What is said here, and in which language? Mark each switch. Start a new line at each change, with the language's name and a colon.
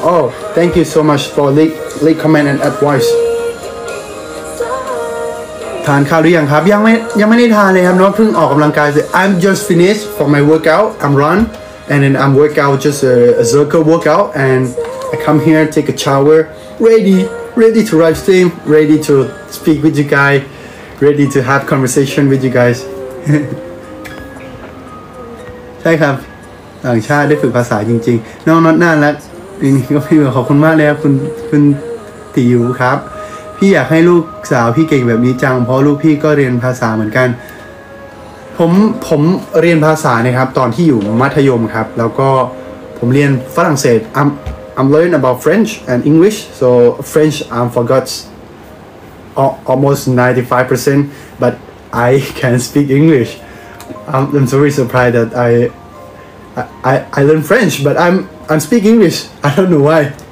English: Oh, thank you so much for late comment and advice.
Thai: ทานข้าวหรือยังครับยังไม่ได้ทานเลยครับน้องเพิ่งออกกำลังกายเสร็จ
English: I'm just finished for my workout. I'm runAnd then I'm work out, just a circle workout, and I come here, take a shower, ready to live stream, ready to speak with you guys, ready to have conversation with you guys.
Thai: ใช่ครับต่างชาติได้ฝึกภาษาจริงๆน้องน็อตน่ารักจริงๆก็พี่ขอบคุณมากเลยครับคุณตีอยู่ครับพี่อยากให้ลูกสาวพี่เก่งแบบนี้จังเพราะลูกพี่ก็เรียนภาษาเหมือนกัน ผมเรียนภาษานะครับตอนที่อยู่มัธยมครับแล้วก็ผมเรียนฝรั่งเศส
English: I'm learning about French and English so French I forgot almost 95% but I can speak English I'm so really surprised that I learn French but I'm speak English I don't know why